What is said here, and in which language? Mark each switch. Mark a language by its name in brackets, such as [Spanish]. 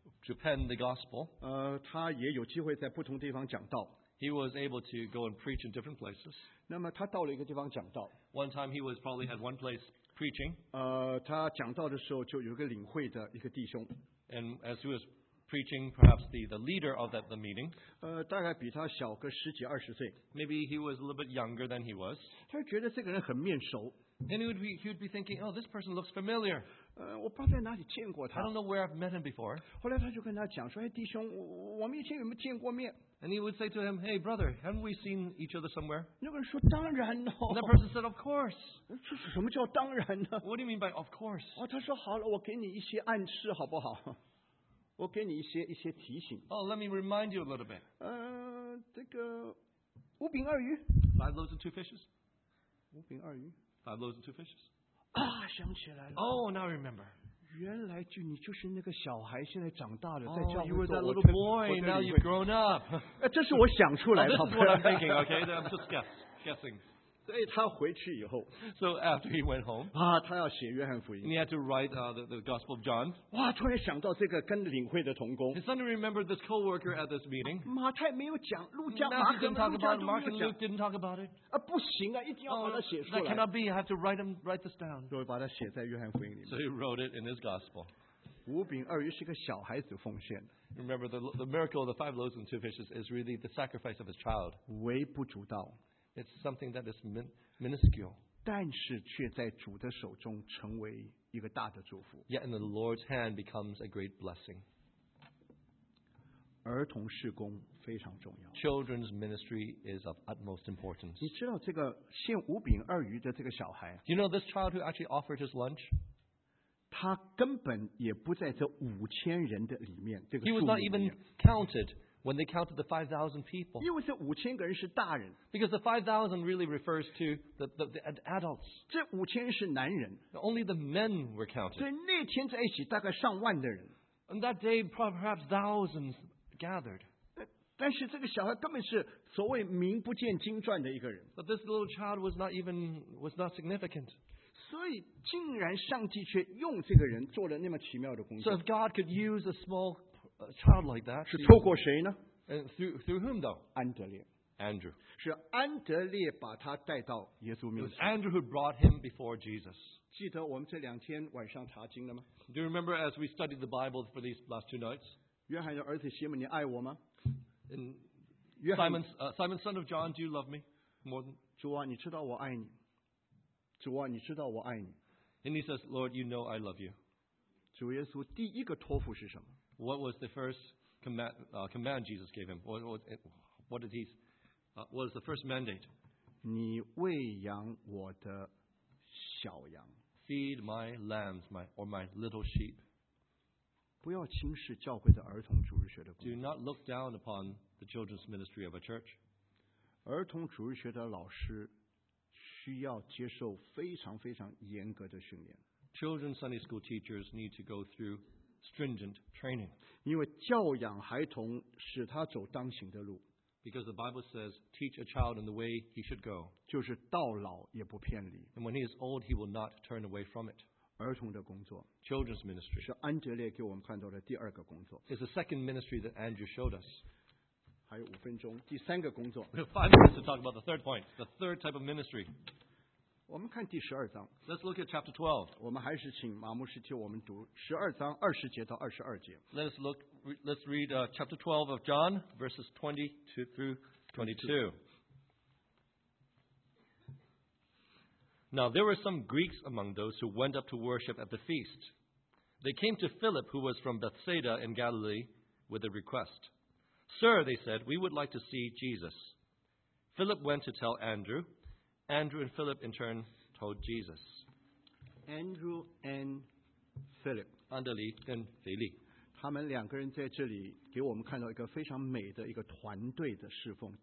[English] To pen the gospel. [Chinese] 他也有机会在不同地方讲道。 [English] He was able to go and preach in different places. [Chinese] 那么他到了一个地方讲道。 [English] One time he was probably at one place preaching. [Chinese] 他讲道的时候就有一个领会的一个弟兄。 [English] And as he was preaching, perhaps the leader of the meeting. [Chinese] 大概比他小个十几二十岁。 [English] Maybe he was a little bit younger than he was. [Chinese] 他觉得这个人很面熟。 [English] And he would be thinking, oh, this person looks familiar. [Chinese] 我不知道在哪里见过他。 [English] I don't know where I've met him before. [Chinese] 后来他就跟他讲说，哎，弟兄，我们以前有没有见过面？ [English] And he would say to him, hey, brother, haven't we seen each other somewhere? [Chinese] 那个人说，当然了。 [English] And that person said, of course. [Chinese] 这是什么叫当然呢？ [English] What do you mean by of course? [Chinese] 他说，好了，我给你一些暗示，好不好？我给你一些提醒。 [English] Oh, let me remind you a little bit. [Chinese] 这个五饼二鱼。 [English] Five loaves and two fishes. [Chinese] 五饼二鱼。 [English] Five loaves and two fishes. [Chinese] 啊，想起来了。 [English] Oh, now I remember. [Chinese] 原来就你就是那个小孩，现在长大了，在教会做。 [English] Oh, you were that little boy. Now you've grown up. [Chinese] 这是我想出来的。 [English] This is what I'm thinking. Okay, I'm just guessing. [Chinese] 所以他回去以后。 [English] So after he went home. [Chinese] 啊，他要写约翰福音。 [English] He had to write the Gospel of John. [Chinese] 哇，突然想到这个跟领会的同工。 [English] He suddenly remembered this co-worker at this meeting. [Chinese] 马太没有讲，路加、马可、路加都没有讲。 [English] Mark and Luke didn't talk about it. [Chinese] 啊，不行啊，一定要把它写出来。 [English] That cannot be. I have to write this down. [Chinese] 所以把它写在约翰福音里面。 [English] So he wrote it in his Gospel. [Chinese] 五饼二鱼是个小孩子奉献的。 [English] Remember the miracle of the five loaves and two fishes is really the sacrifice of his child. [Chinese] 微不足道。 [English] It's something that is minuscule. [Chinese] 但是却在主的手中成为一个大的祝福。 [English] Yet in the Lord's hand becomes a great blessing. [Chinese] 儿童事工非常重要。 [English] Children's ministry is of utmost importance. [Chinese] 你知道这个献五饼二鱼的这个小孩？ [English] You know this child who actually offered his lunch? [Chinese] 他根本也不在这五千人的里面，这个数目里面。 [English] He was not even counted. When they counted the 5,000 people. [Chinese] 因为这五千个人是大人。 [English] Because the 5,000 really refers to the adults. [Chinese] 这五千人是男人。 [English] Only the men were counted. [Chinese] 所以那天在一起大概上万的人。 [English] And that day perhaps thousands gathered. [Chinese] 但是这个小孩根本是所谓名不见经传的一个人。 [English] But this little child was not significant. [Chinese] 所以竟然上帝却用这个人做了那么奇妙的工作。 [English] So if God could use a small child like that, [Chinese] 是透过谁呢？ [English] Through whom though? [Chinese] 安德烈。 [English] Andrew. [Chinese] 是安德烈把他带到耶稣面前。 [English] It was Andrew who brought him before Jesus. [Chinese] 记得我们这两天晚上查经了吗？ [English] Do you remember as we studied the Bible for these last two nights? [Chinese] 约翰的儿子西门，你爱我吗？ [English] Simon, son of John, do you love me more than? [Chinese] 主啊，你知道我爱你。主啊，你知道我爱你。 [English] And he says, Lord, you know I love you. [Chinese] 主耶稣第一个托付是什么？ [English] What was the first command Jesus gave him? What is the first mandate? [Chinese] 你喂养我的小羊。 [English] Feed my lambs, my little sheep. [Chinese] 不要轻视教会的儿童主日学的工作。 [English] Do not look down upon the children's ministry of a church. [Chinese] 儿童主日学的老师需要接受非常非常严格的训练。 [English] Children's Sunday school teachers need to go through stringent training. [Chinese] 因为教养孩童使他走当行的路。 [English] Because the Bible says, teach a child in the way he should go. [Chinese] 就是到老也不偏离。 [English] And when he is old, he will not turn away from it. [Chinese] 儿童的工作。 [English] Children's ministry. [Chinese] 是安哲烈给我们看到的第二个工作。 [English] It's the second ministry that Andrew showed us. [Chinese] 还有五分钟，第三个工作。 [English] We have 5 minutes to talk about the third point, the third type of ministry. [Chinese] 我们看第十二章。 [English] Let's look at chapter 12. [Chinese] 我们还是请马牧师替我们读十二章二十节到二十二节。 [English] Let's read chapter 12 of John, verses 22-22. Now there were some Greeks among those who went up to worship at the feast. They came to Philip, who was from Bethsaida in Galilee, with a request. Sir, they said, we would like to see Jesus. Philip went to tell Andrew. Andrew and Philip in turn told Jesus. Andrew and Philip. Andali and Philip. [Chinese] 他们两个人在这里给我们看到一个非常美的一个团队的侍奉。